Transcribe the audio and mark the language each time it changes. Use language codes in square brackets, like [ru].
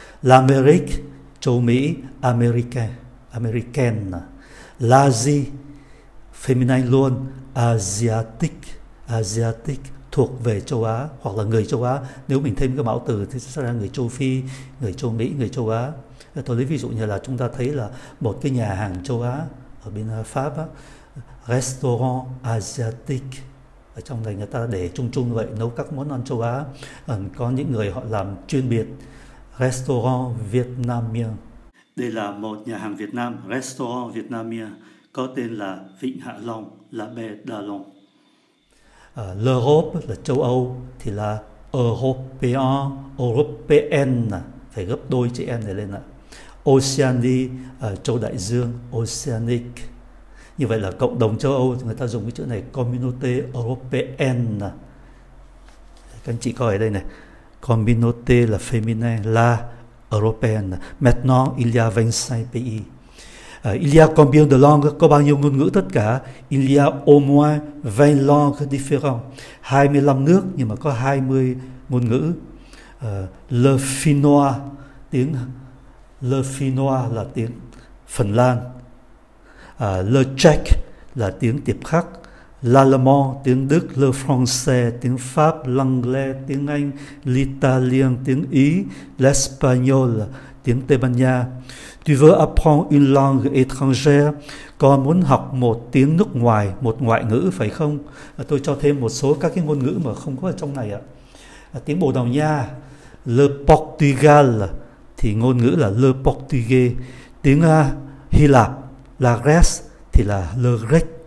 [fr] L'Amérique, [vi] châu Mỹ, [fr] américain, américaine. L'Asie, [vi] feminine luôn, asiatic, asiatic, thuộc về châu Á hoặc là người châu Á. Nếu mình thêm cái mão từ thì sẽ ra người châu Phi, người châu Mỹ, người châu Á. Tôi lấy ví dụ như là chúng ta thấy là một cái nhà hàng châu Á ở bên Pháp á, restaurant asiatic. Ở trong này người ta để chung chung vậy, nấu các món ăn châu Á. Có những người họ làm chuyên biệt, restaurant vietnamien. Đây là một nhà hàng Việt Nam, restaurant vietnamien, có tên là Vịnh Hạ Long, La Mer d'Alon. L'Europe là châu Âu thì là européen, européenne, phải gấp đôi chữ n này lên ạ. Oceania, châu đại dương, oceanic. Như vậy là cộng đồng châu Âu thì người ta dùng cái chữ này, Communauté Européenne. Các anh chị coi ở đây này. [fr] Communauté [vi] là [fr] féminin, là européenne. Maintenant, il y a 25 pays. Il y a combien de langues? [vi] Có bao nhiêu ngôn ngữ tất cả? [fr] Il y a au moins 20 langues différentes. [vi] 25 nước nhưng mà có 20 ngôn ngữ. Le Finnois, tiếng Le Finnois là tiếng Phần Lan. Le Czech là tiếng tiệp khắc, L'Allemand tiếng Đức, Le Français tiếng Pháp, L'Anglais tiếng Anh, L'Italien tiếng Ý, L'Espagnol tiếng Tây Ban Nha. [fr] Tu veux apprendre une langue étrangère? [vi] Con muốn học một tiếng nước ngoài, một ngoại ngữ phải không? Tôi cho thêm một số các cái ngôn ngữ mà không có ở trong này ạ. Tiếng Bồ Đào Nha, Le Portugal thì ngôn ngữ là Le Portugais. Tiếng Hy Lạp, La Grèce thì là Le Grec.